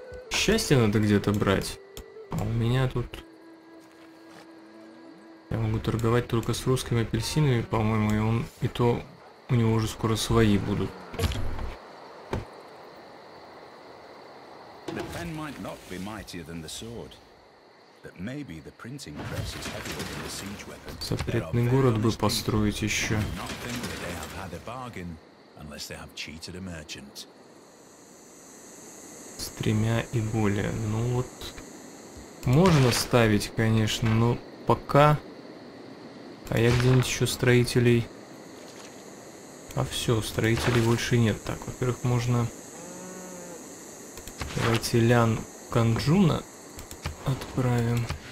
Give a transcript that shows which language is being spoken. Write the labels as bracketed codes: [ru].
[ru] Счастье надо где-то брать. А у меня тут... Я могу торговать только с русскими апельсинами, по-моему, и он и то... У него уже скоро свои будут. [en] The pen might not be mightier than the sword, but maybe the printing press is heavier than the siege weapon. [ru] Запретный город бы построить еще. [en] They have had a bargain, unless they have cheated a merchant. [ru] С тремя и более. Ну вот. Можно ставить, конечно, но пока. А я где-нибудь еще строителей. А все, строителей больше нет. Так, во-первых, можно... Давайте Лян Канджуна отправим.